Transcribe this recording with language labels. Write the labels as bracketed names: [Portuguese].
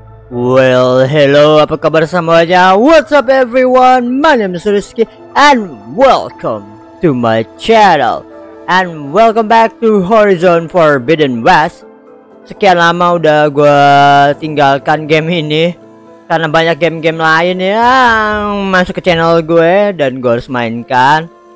[English] Well, hello, [Indonesian] apa kabar semuanya? [English] What's up everyone? My name is Rizky and welcome to my channel. And welcome back to Horizon Forbidden West. [Indonesian] Sekian lama udah gua tinggalkan game ini karena banyak game-game lain yang masuk ke channel gue dan gua harus mainkan.